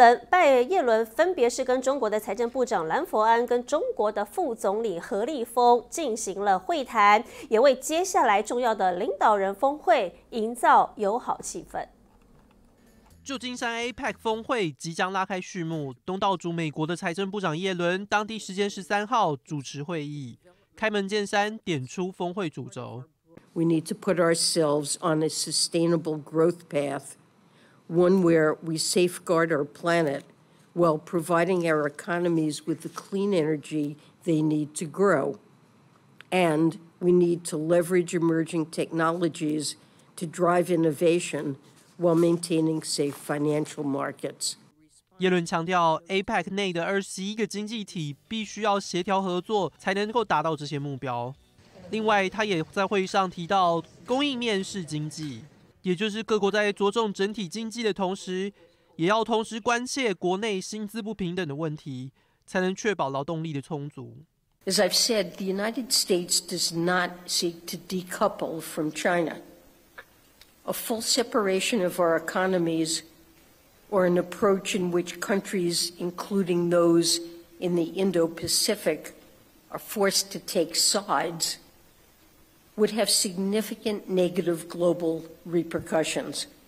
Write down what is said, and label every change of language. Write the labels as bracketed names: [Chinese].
[Chinese] 拜耶伦分别是跟中国的财政部长兰佛安跟中国的副总理何立峰进行了会谈，也为接下来重要的领导人峰会营造友好气氛。旧金山 APEC 峰会即将拉开序幕，东道主美国的财政部长耶伦当地时间13号主持会议，开门见山点出峰会主轴。 [English] We need to put ourselves on a sustainable growth path, one where we safeguard our planet while providing our economies with the clean energy they need to grow, and we need to leverage emerging technologies to drive innovation. While maintaining safe financial markets. [Chinese] 耶伦强调 APEC 内的21个经济体必须要协调合作才能够达到这些目标。另外，他也在会上提到供应面式经济，也就是各国在着重整体经济的同时，也要同时关切国内薪资不平等的问题，才能确保劳动力的充足。 [English] As I've said, the United States does not seek to decouple from China. A full separation of our economies, or an approach in which countries, including those in the Indo-Pacific, are forced to take sides, would have significant negative global repercussions.